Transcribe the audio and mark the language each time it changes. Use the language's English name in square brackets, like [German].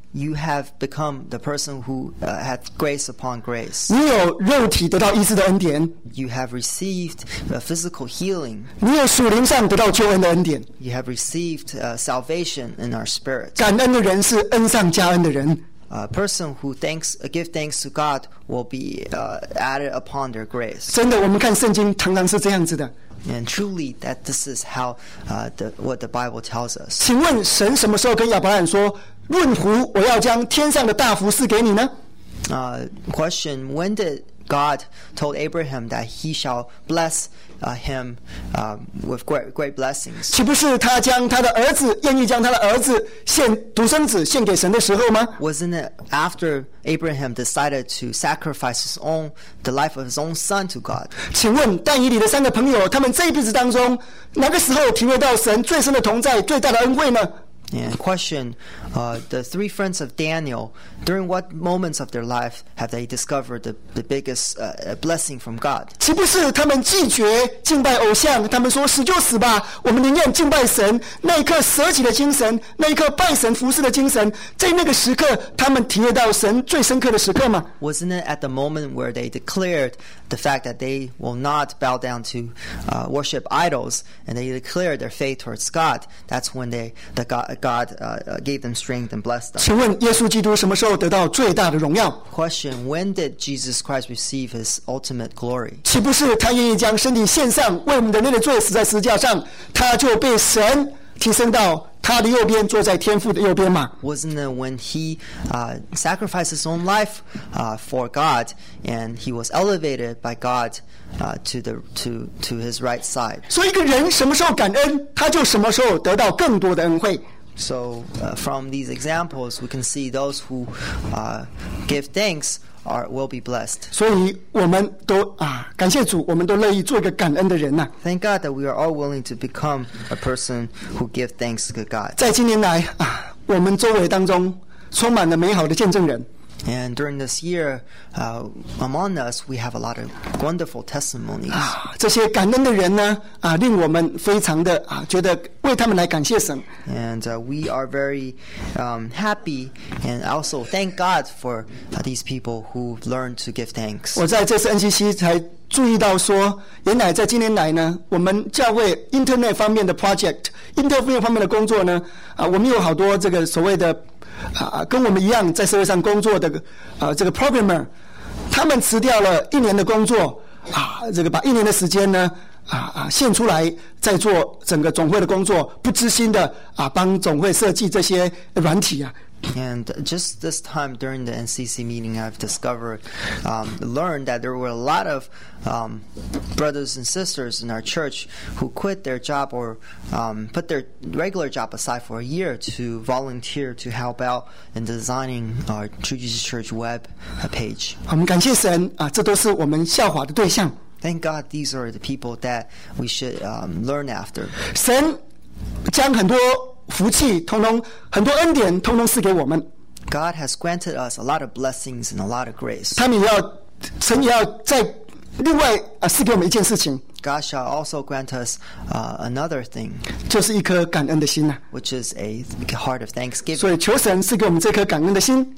[English] You have become the person who had grace upon grace. [Chinese] 你有肉体得到医治的恩典。 [English] You have received the physical healing. [Chinese] 你有属灵上得到救恩的恩典。 [English] You have received salvation in our spirit. [Chinese] 感恩的人是恩上加恩的人。 [English] A person who give thanks to God will be added upon their grace. [Chinese] 真的，我们看圣经常常是这样子的。 [English] And truly, that this is how what the Bible tells us. [Chinese] 请问神什么时候跟亚伯拉罕说？论胡，我要将天上的大福赐给你呢。 [English] Question: When did God told Abraham that he shall bless him with great blessings. [Chinese] 岂不是他将他的儿子愿意将他的儿子献独生子献给神的时候吗？ [English] Wasn't it after Abraham decided to sacrifice his own the life of his own son to God? [Chinese] 请问但以理的三个朋友，他们这一辈子当中，哪个时候体会到神最深的同在、最大的恩惠呢？ [English] And question, the three friends of Daniel, during what moments of their life have they discovered the biggest blessing from God? [Chinese] 岂不是他们拒绝敬拜偶像，他们说死就死吧，我们宁愿敬拜神，那一刻舍己的精神，那一刻拜神服事的精神，在那个时刻他们体验到神最深刻的时刻吗？ [English] Wasn't it at the moment where they declared the fact that they will not bow down to worship idols, and they declared their faith towards God, that's when God gave them strength and blessed them. [Chinese] 请问耶稣基督什么时候得到最大的荣耀？ [English] Question, when did Jesus Christ receive his ultimate glory? [Chinese] 岂不是他愿意将身体献上，为我们的人类罪死在十字架上，他就被神提升到他的右边，坐在天父的右边吗？ [English] Wasn't it when he sacrificed his own life for God, and he was elevated by God to his right side? [Chinese] 所以一个人什么时候感恩，他就什么时候得到更多的恩惠。 [English] So from these examples, we can see those who give thanks will be blessed. [Chinese] 所以我们都感谢主，我们都乐意做一个感恩的人呐。 [English] Thank God that we are all willing to become a person who give thanks to God. [Chinese] 在今年来我们周围当中充满了美好的见证人。 [English] And during this year, among us, we have a lot of wonderful testimonies. [Chinese] 这些感恩的人呢，令我们非常的觉得为他们来感谢神。 [English] And we are very happy, and also thank God for these people who learned to give thanks. [Chinese] 我在这次NCC才注意到说，原来在今年来呢，我们教会 Internet 方面的 project, Internet 方面的工作呢，我们有好多这个所谓的跟我们一样在社会上工作的这个 programmer, 他们辞掉了一年的工作这个把一年的时间呢献出来在做整个总会的工作，不知心的帮总会设计这些软体啊。 [English] And just this time during the NCC meeting, I've learned that there were a lot of brothers and sisters in our church who quit their job or put their regular job aside for a year to volunteer to help out in designing our True Jesus Church web page. [Chinese] 我们感谢神这都是我们效法的对象。 [English] Thank God these are the people that we should learn after. [Chinese] 神将很多福气通通很多恩典通通赐给我们。 [English] God has granted us a lot of blessings and a lot of grace. [Chinese] 他们也要神也要再另外赐给我们一件事情。 [English] God shall also grant us another thing, [Chinese] 就是一颗感恩的心啊。 [English] Which is a heart of thanksgiving. [Chinese] 所以求神赐给我们这颗感恩的心。